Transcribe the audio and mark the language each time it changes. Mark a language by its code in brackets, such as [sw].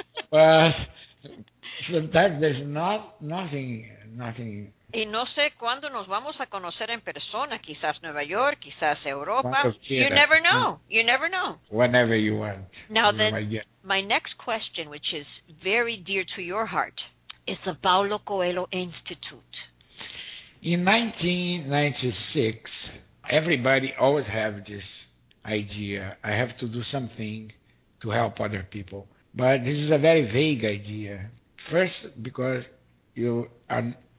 [en] But sometimes there's nothing. [es] Y no sé cuándo nos vamos a conocer en persona. Quizás Nueva York, quizás Europa. [en] You never know. You never know. Whenever you want. Now then, my next question, which is very dear to your heart, is the Paulo Coelho Institute. In 1996, everybody always have this idea. I have to do something to help other people. But this is a very vague idea. First, because you are